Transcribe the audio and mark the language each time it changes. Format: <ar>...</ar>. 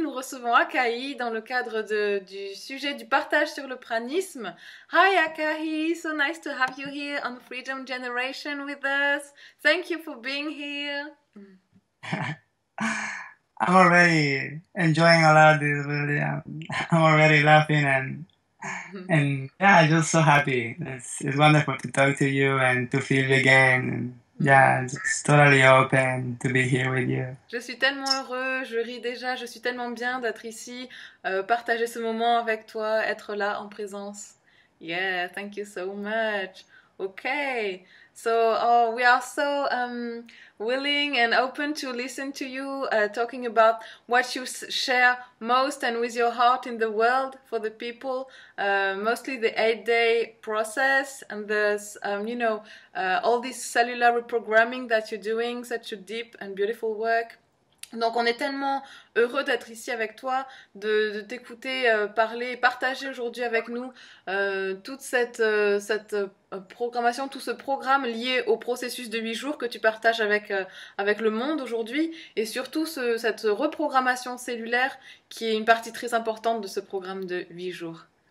<fr>Nous recevons Akai dans le cadre du sujet du partage sur le pranisme.</fr> <en>Hi Akai, so nice to have you here on Freedom Generation with us. Thank you for being here. I'm already enjoying a lot of this, really. I'm already laughing and yeah, I'm just so happy. It's wonderful to talk to you and to feel you again. And yeah, just totally open to be here with you.</en> <fr>Je suis tellement heureux, je ris déjà, je suis tellement bien d'être ici, partager ce moment avec toi, être là en présence.</fr> <en>Yeah, thank you so much. Okay, so we are so willing and open to listen to you talking about what you share most and with your heart in the world for the people, mostly the 8-day process and this, all this cellular reprogramming that you're doing, such a deep and beautiful work.</en> <fr>Donc, on est tellement heureux d'être ici avec toi, de t'écouter parler, partager aujourd'hui avec nous toute cette programmation, tout ce programme lié au processus de 8 jours que tu partages avec le monde aujourd'hui, et surtout cette reprogrammation cellulaire qui est une partie très importante de ce programme de 8 jours.</fr>